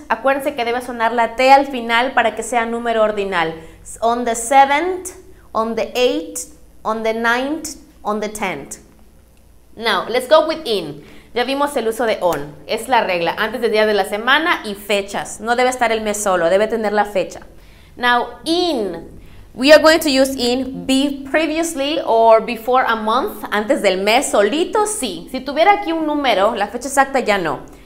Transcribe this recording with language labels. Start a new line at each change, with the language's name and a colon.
Spanish: Acuérdense que debe sonar la T al final para que sea número ordinal.
English: It's on the 7th, on the 8th, on the 9th, on the 10th. Now, let's go with in.
Spanish: Ya vimos el uso de on. Es la regla. Antes del día de la semana y fechas. No debe estar el mes solo. Debe tener la fecha.
English: Now, in. We are going to use in be previously or before a month.
Spanish: Antes del mes solito, sí. Si tuviera aquí un número, la fecha exacta ya no.